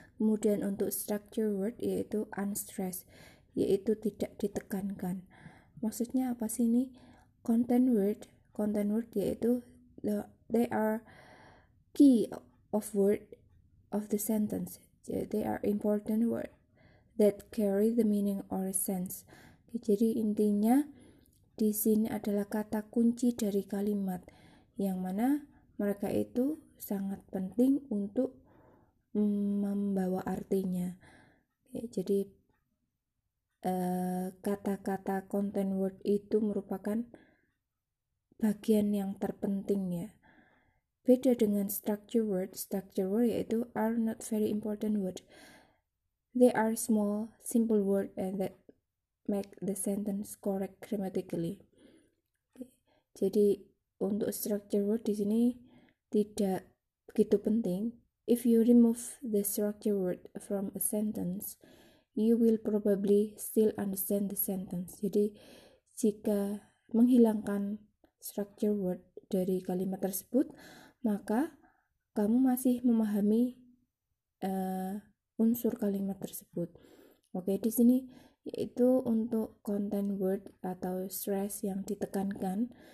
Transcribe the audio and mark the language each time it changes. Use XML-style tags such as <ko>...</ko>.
<id>Kemudian untuk structure word yaitu unstressed, yaitu tidak ditekankan. Maksudnya apa sih ini?</id> <en>Content word</en> <id>yaitu</id> <en>they are key of word of the sentence. They are important word that carry the meaning or sense.</en> <id>Jadi intinya di sini adalah kata kunci dari kalimat yang mana mereka itu sangat penting untuk membawa artinya. Jadi kata-kata content word itu merupakan bagian yang terpenting ya. Beda dengan</id> <en>structure word</en> <id>yaitu</id> <en>are not very important word. They are small, simple word and that make the sentence correct grammatically.</en> <id>Jadi untuk structure word di sini tidak begitu penting.</id> <en>If you remove the structure word from a sentence, you will probably still understand the sentence.</en> <id>Jadi jika menghilangkan structure word dari kalimat tersebut, maka kamu masih memahami unsur kalimat tersebut. Oke, di sini yaitu untuk content word atau stress yang ditekankan.</id>